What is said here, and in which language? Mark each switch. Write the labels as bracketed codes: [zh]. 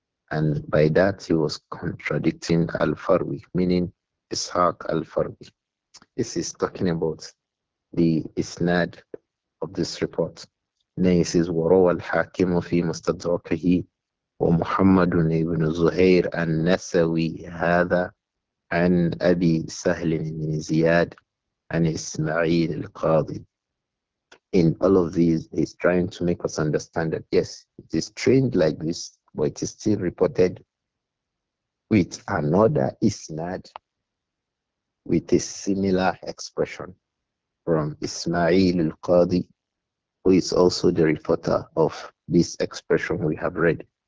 [en] And by that he was contradicting الفروي, meaning إسحاق الفروي. This is talking about the isnad of this report. Then he says [ar] وروى الحاكم في مستدركه ومحمد بن زهير النسوي هذا عن أبي سهل بن زياد عن إسماعيل القاضي. [en] In all of these, he's trying to make us understand that yes, it is trained like this, but it is still reported with another isnad with a similar expression from Ismail al-Qadi, who is also the reporter of this expression we have read.